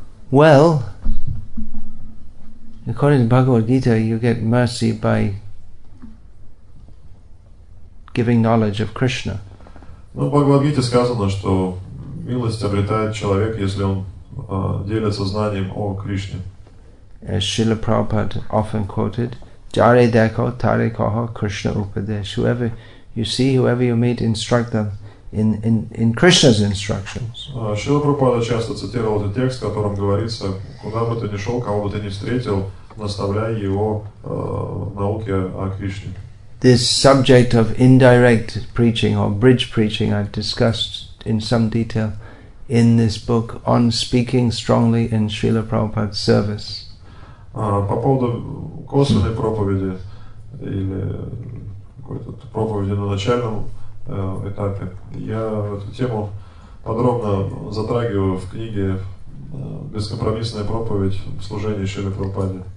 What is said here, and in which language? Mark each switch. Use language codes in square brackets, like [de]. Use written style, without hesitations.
[en] Well, according to Bhagavad Gita, you get mercy by giving knowledge of Krishna. [ru] Ну, в Бхагавад-гите сказано, что милость обретает человек, если он делится знанием о Кришне. [en] As Srila Prabhupada often quoted, [bn] Jare deko tare koho Krishna upadesh. [en] Whoever you see, whoever you meet, instruct them in Krishna's instructions. [ru] Srila Prabhupada часто цитировал этот текст, в котором говорится, куда бы ты ни шел, кого бы ты ни встретил, наставляй его науке о Кришне. [en] This subject of indirect preaching or bridge preaching I've discussed in some detail in this book on speaking strongly in Srila Prabhupada's service. [ru] По поводу косвенной проповеди или какой-то проповеди на начальном этапе, я эту тему подробно затрагиваю в книге «Бескомпромиссная проповедь в служении Шриле Прабхупаде».